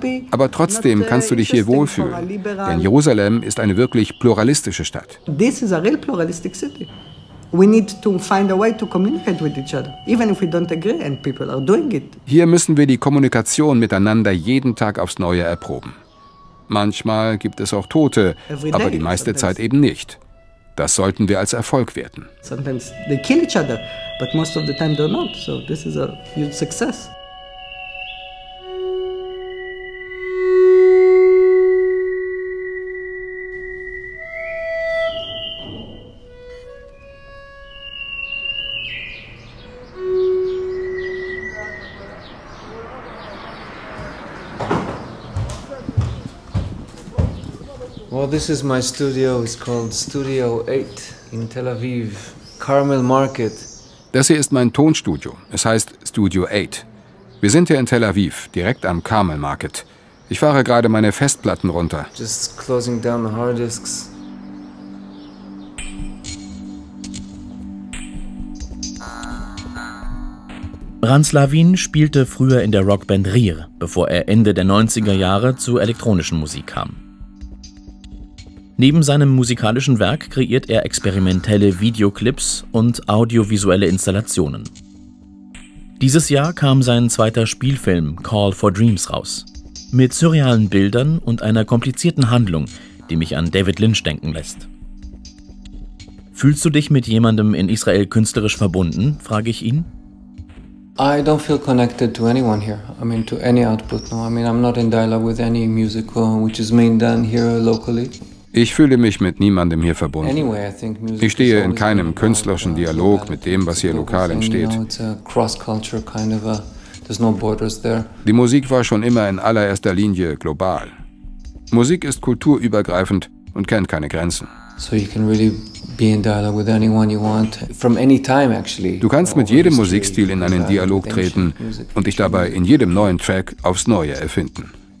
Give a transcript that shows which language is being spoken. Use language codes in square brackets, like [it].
[de] Aber trotzdem kannst du dich hier wohlfühlen, denn Jerusalem ist eine wirklich pluralistische Stadt. [en] This is a real pluralistic city. We need to find a way to communicate with each other, even if we don't agree, and people are doing it. [de] Hier müssen wir die Kommunikation miteinander jeden Tag aufs Neue erproben. Manchmal gibt es auch Tote, aber die meiste Zeit eben nicht. Das sollten wir als Erfolg werten. [en] Sometimes they kill each other, but most of the time they're not. So this is a huge success. This is my studio. It's called Studio 8 in Tel Aviv, Carmel Market. [de] Das hier ist mein Tonstudio. Es heißt Studio 8. Wir sind hier in Tel Aviv, direkt am Carmel Market. Ich fahre gerade meine Festplatten runter. [en] Just closing down the hard disks. [de] Ranz Lavin spielte früher in der Rockband Rir, bevor er Ende der 90er Jahre zu elektronischen Musik kam. Neben seinem musikalischen Werk kreiert er experimentelle Videoclips und audiovisuelle Installationen. Dieses Jahr kam sein zweiter Spielfilm Call for Dreams raus. Mit surrealen Bildern und einer komplizierten Handlung, die mich an David Lynch denken lässt. Fühlst du dich mit jemandem in Israel künstlerisch verbunden, frage ich ihn. [en] I don't feel connected to anyone here. I mean, to any output. No, I mean, I'm not in dialogue with any musical, which is mainly done here locally. [de] Ich fühle mich mit niemandem hier verbunden. Ich stehe in keinem künstlerischen Dialog mit dem, was hier lokal entsteht. Die Musik war schon immer in allererster Linie global. Musik ist kulturübergreifend und kennt keine Grenzen. Du kannst mit jedem Musikstil in einen Dialog treten und dich dabei in jedem neuen Track aufs Neue erfinden.